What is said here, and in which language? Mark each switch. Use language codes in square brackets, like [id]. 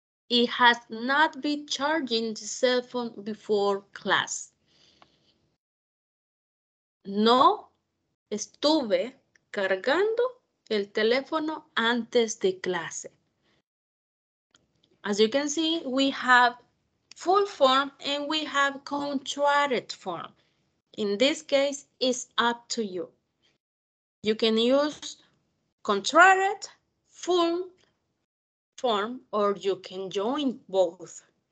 [en] it has not been charging the cell phone before class. [es] No estuve cargando el teléfono antes de clase. [en] As you can see, we have full form and we have contracted form. In this case, it's up to you. You can use contracted, full form, or you can join both.